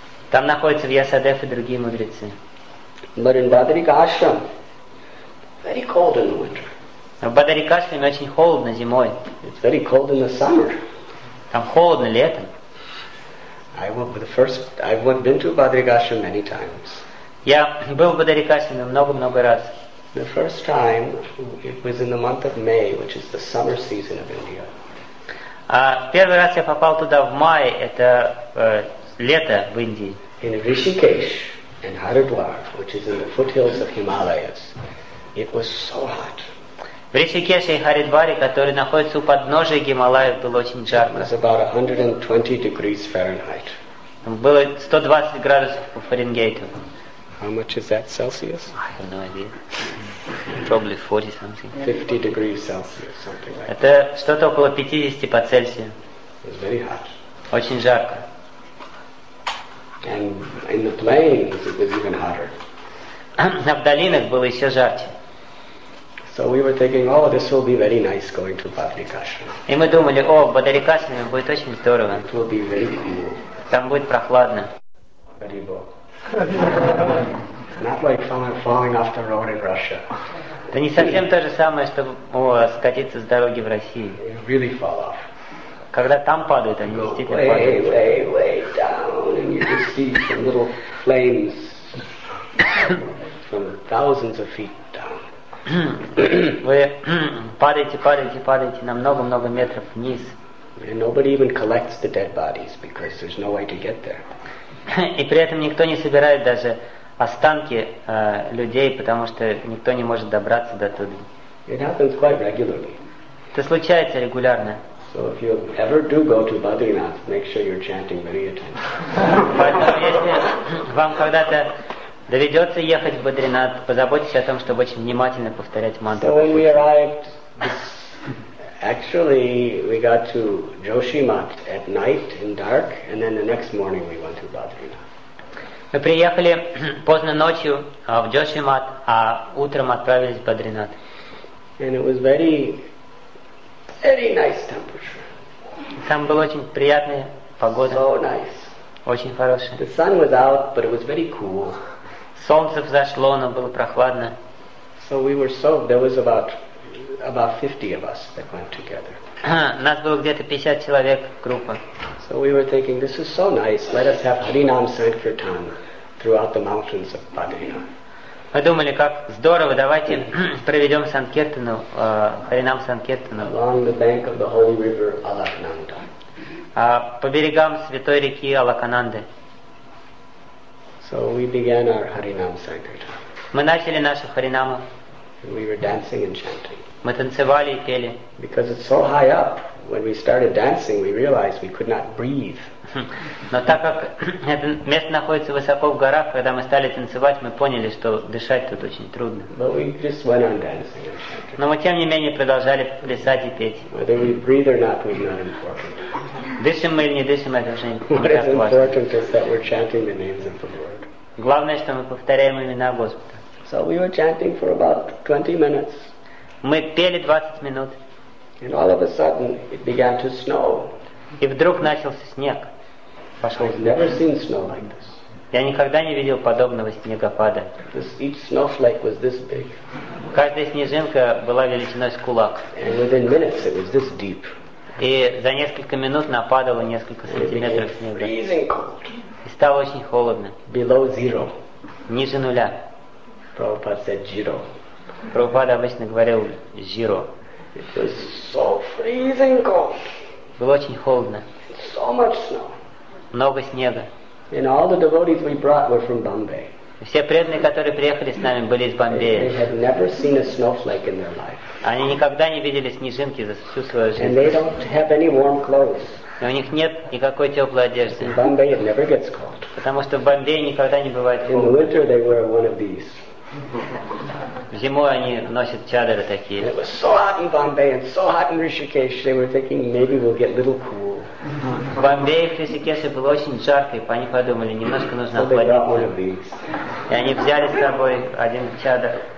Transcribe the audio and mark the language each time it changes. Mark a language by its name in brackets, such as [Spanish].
[Russian] Там находятся Вьясадев и другие мудрецы. [English] But in Badrikashram, very cold in the winter. [Russian] Но в Бадрикашраме очень холодно зимой. [English] It's very cold in the summer. [Russian] Там холодно летом. [English] I've been to Badrikashram many times. [Russian] Я был в Бадрикашраме много-много раз. [English] The first time it was in the month of May, which is the summer season of India. [Russian] Первый раз я попал туда в мае, это лето в Индии. [English] In Rishikesh and Haridwar, which is in the foothills of Himalayas, it was so hot. [Russian] В Ришикеше и Харидваре, которые находятся у подножия Гималаев, было очень жарко. [English] It was about 120 degrees Fahrenheit. [Russian] Было 120 градусов по Фаренгейту. [English] How much is that Celsius? I have no idea. Probably 40 something. 50 degrees Celsius, something like that. [Russian] Это что-то около 50 по Цельсию. [English] It's very hot. [Russian] Очень жарко. [English] And in the plains it was even hotter. [Russian] А в долинах было еще жарче. [English] So we were thinking, oh, this will be very nice going to Badrikashram. [Russian] И мы думали, о, в Бадрикашраме будет очень здорово. [English] It will be very cool. [Russian] Там будет прохладно. [English] Not like someone falling off the road in Russia. [Russian] Это не совсем то же самое, что скатиться с дороги в России. [English] Really fall off. [Russian] Когда там падают, они действительно падают. [English] Way, way, way down, and you just see some little flames from thousands of feet down. [Russian] Вы падаете, падаете, падаете на много-много метров вниз. [English] And nobody even collects the dead bodies because there's no way to get there. [Russian] И при этом никто не собирает даже останки людей, потому что никто не может добраться до туда. [English] It happens quite regularly. [Russian] Это случается регулярно. [English] So if you ever do go to Badrinath, make sure you're chanting very attentively. [Russian] Поэтому если вам когда-то доведется ехать в Бадринат, позаботьтесь о том, чтобы очень внимательно повторять мантру. [English] So when we arrived, actually we got to Joshimath at night in dark, and then the next morning we went to Badrinath. [Russian] Мы приехали поздно ночью в Джошимат, а утром отправились в Бадринат. [English] And it was very, very nice temperature. [Russian] Там была очень приятная погода. [English] So nice. [Russian] Очень хорошая. [English] The sun was out, but it was very cool. [Russian] Солнце взошло, но было прохладно. [English] So we were so, there was about 50 of us that went together. [Russian] Нас было где-то 50 человек, группа. [English] So we were thinking, this is so nice, let us have Harinam Sankirtan throughout the mountains of Badrinath. [Russian] Мы думали, как здорово, давайте проведем Санкиртану, Харинам Санкиртану. [English] Along the bank of the holy river Alaknanda. [Russian] По берегам святой реки Алакананды. [English] So we began our Harinam Sankirtan. [Russian] Мы начали нашу Харинаму. [English] We were dancing and chanting. [Russian] Мы танцевали и пели. [English] Because it's so high up, when we started dancing, we realized we could not breathe. [Russian] Но так как это место находится высоко в горах, когда мы стали танцевать, мы поняли, что дышать тут очень трудно. [English] But we just went on dancing. [Russian] Но мы тем не менее продолжали плясать и петь. [English] Whether we breathe or not was not important. [Russian] Дышим мы или не дышим, это уже не так важно. [English] What is important is that we're chanting the names of the Lord. [Russian] Главное, что мы повторяем имена Господа. [English] So we were chanting for about 20 minutes. [Russian] Мы пели 20 минут. [English] And all of a sudden it began to snow. [Russian] И вдруг начался снег. Пошел. [English] I've never seen snow like this. [Russian] Я никогда не видел подобного снегопада. [English] This, each snowflake was this big. [Russian] Каждая снежинка была величиной с кулак. [English] And within minutes it was this deep. [Russian] И за несколько минут нападало несколько сантиметров снега. [English] It became freezing cold. [Russian] И стало очень холодно. [English] Below zero. [Russian] Ниже нуля. [English] Prabhupada said zero. [Russian] Прабхупада обычно говорил «зиро». [English] It was so freezing cold. [Russian] Было очень холодно. [English] So much snow. [Russian] Много снега. [English] And all the devotees we brought were from Bombay. [Russian] Все преданные, которые приехали с нами, были из Бомбея. [English] They had never seen a snowflake in their life. [Russian] Они никогда не видели снежинки за всю свою жизнь. [English] And they don't have any warm clothes. [Russian] И у них нет никакой теплой одежды. [English] In Bombay it never gets cold. [Russian] Потому что в Бомбее никогда не бывает холодно. [English] In winter they were one of these. [Russian] Зимой они носят чадры такие. [English] It was so hot in Bombay and so hot in Rishikesh. They were thinking maybe we'll get a little cool. [Russian] В Бомбее и Ришикеше было очень жарко, и они подумали, немножко нужно охладиться. И они взяли с собой один чадр.